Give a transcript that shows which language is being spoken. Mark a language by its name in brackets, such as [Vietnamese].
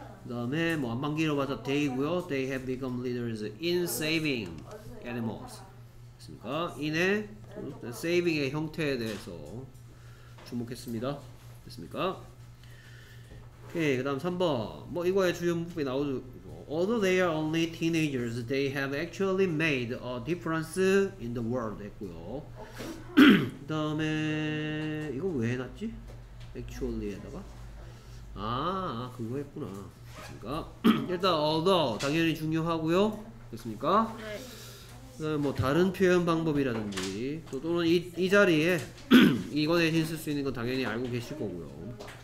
[Korean] 그 다음에 뭐 안 만기로 봐서 they고요. [English] They have become leaders in saving animals. [Korean] 됐습니까? in의 saving의 형태에 대해서 주목했습니다. 됐습니까? 오케이, 그 다음 3번 뭐 이거의 주요 문법이 나오죠. [English] Although they are only teenagers, they have actually made a difference in the world [Korean] 했고요. 그 다음에 이거 왜 해놨지? actually에다가 아 그거 했구나. 일단 although 당연히 중요하고요. 됐습니까? 네. 뭐 다른 표현 방법이라든지 또는 이 자리에 이거 대신 쓸 수 있는 건 당연히 알고 계실 거고요.